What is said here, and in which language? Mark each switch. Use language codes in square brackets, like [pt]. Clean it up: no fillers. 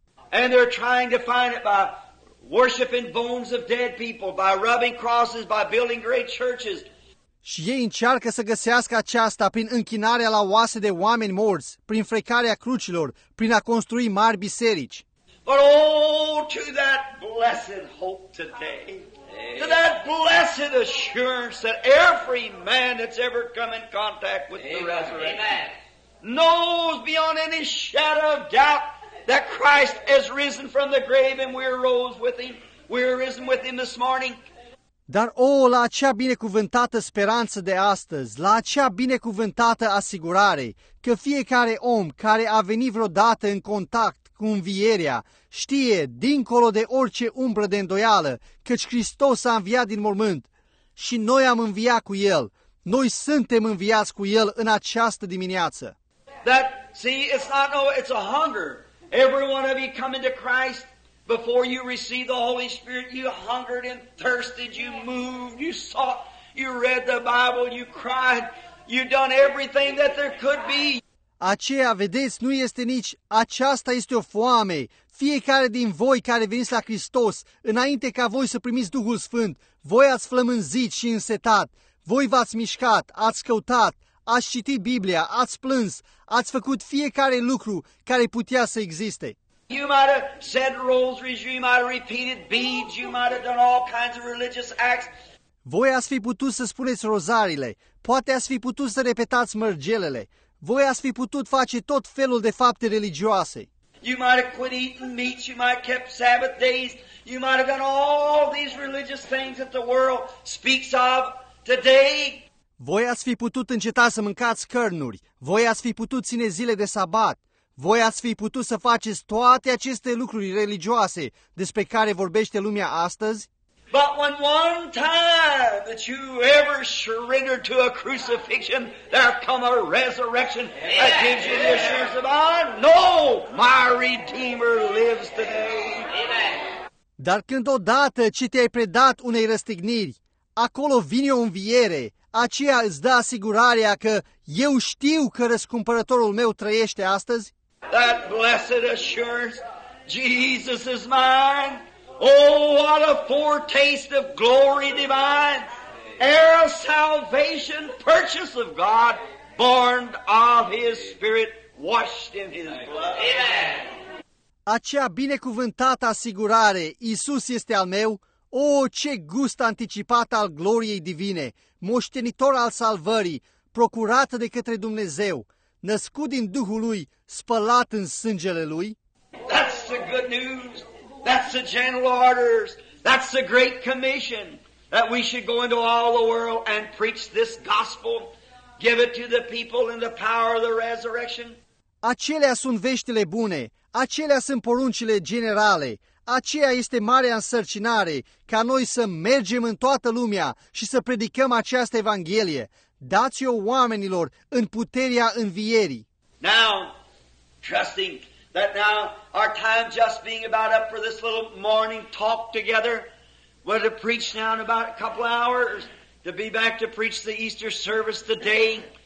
[en] And they're trying to find it by worshiping bones of dead people, by rubbing crosses, by building great churches. [ro] Și ei încearcă să găsească aceasta prin închinarea la oase de oameni morți, prin frecarea crucilor, prin a construi mari biserici. [en] But oh, to that blessed hope today, to that blessed assurance that every man that's ever come in contact with Amen. The resurrection knows beyond any shadow of doubt that Christ has risen from the grave and we rose with him. We are risen with him this morning. [ro] Dar la acea binecuvântată speranță de astăzi, la acea binecuvântată asigurare, că fiecare om care a venit vreodată în contact cu învierea știe, dincolo de orice umbră de îndoială, căci Hristos a înviat din mormânt și noi am înviat cu El, noi suntem înviați cu El în această dimineață. [en] It's a hunger. Every one of you come into Christ. Before you received the Holy Spirit, you hungered and thirsted, you moved, you sought, you read the Bible, you cried, you done everything that there could be. [ro] Aceea, vedeți, nu este nici, aceasta este o foame. Fiecare din voi care veniți la Hristos, înainte ca voi să primiți Duhul Sfânt, voi ați flămânzit și însetat, voi v-ați mișcat, ați căutat, ați citit Biblia, ați plâns, ați făcut fiecare lucru care putea să existe. [en] You might have said rosaries, you might have repeated beads, you might have done all kinds of religious acts. [ro] Voi ați fi putut să spuneți rozarile, poate ați fi putut să repetați mărgelele, voi ați fi putut face tot felul de fapte religioase. [en] You might have quit eating meat, you might have kept Sabbath days, you might have done all these religious things that the world speaks of today. [ro] Voi ați fi putut înceta să mâncați cărnuri, voi ați fi putut ține zile de sabat. Voi ați fi putut să faceți toate aceste lucruri religioase despre care vorbește lumea astăzi? [en] But when one time that you ever surrender to a crucifixion, there come a resurrection that gives you the assurance of, I know my Redeemer lives today. [ro] Dar când odată ce te-ai predat unei răstigniri, acolo vine o înviere, aceea îți dă asigurarea că eu știu că răscumpărătorul meu trăiește astăzi? [en] That blessed assurance, Jesus is mine. Oh, what a foretaste of glory divine. Heir of salvation, purchase of God, born of His Spirit, washed in His blood. Amen. [ro] Acea binecuvântată asigurare, Iisus este al meu. Oh, ce gust anticipat al gloriei divine, moștenitor al salvării, procurată de către Dumnezeu. Născut din Duhul Lui, spălat în sângele Lui. [en] That's the good news. That's the general orders. That's the great commission. That we should go into all the world and preach this gospel. Give it to the people in the power of the resurrection. [ro] Acelea sunt veștile bune. Acelea sunt poruncile generale. Aceea este marea însărcinare ca noi să mergem în toată lumea și să predicăm această evanghelie. Dați-o oamenilor în puterea învierii. [en] Now, trusting that now our time just being about up for this little morning talk together, we're to preach now in about a couple hours to be back to preach the Easter service today.